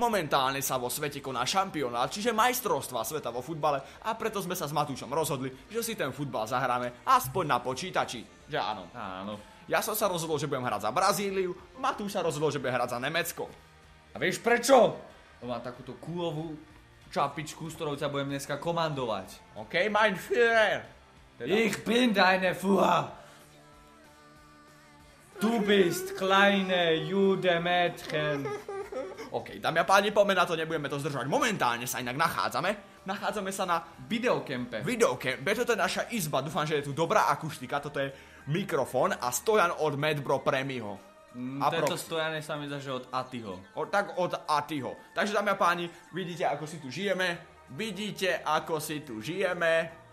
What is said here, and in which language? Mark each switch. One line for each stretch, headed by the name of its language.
Slovak: Momentálne sa vo svete koná šampionát, čiže majstrovstvá sveta vo futbale, a preto sme sa s Matúšom rozhodli, že si ten futbal zahráme aspoň na počítači. Že áno. Áno. Ja som sa rozhodol, že budem hrať za Brazíliu, Matúš sa rozhodol, že bude hrať za Nemecko. A vieš prečo? Má takúto kulovú čapičku, s ktorou ťa budem dneska komandovať.
German: OK, mein Führer. Teda ich bin deine Führer. Du bist kleine Judemädchen.
Slovak: OK, dámy a páni, poďme na to, nebudeme to zdržovať. Momentálne sa inak nachádzame. Nachádzame sa na videokempe. Videokempe, toto je naša izba. Dúfam, že je tu dobrá akustika. Toto je mikrofón a stojan od Medbro Premiho. Tento stojan je sa mi zaže od Atiho. Od Atiho. Takže, dámy a páni, vidíte, ako si tu žijeme.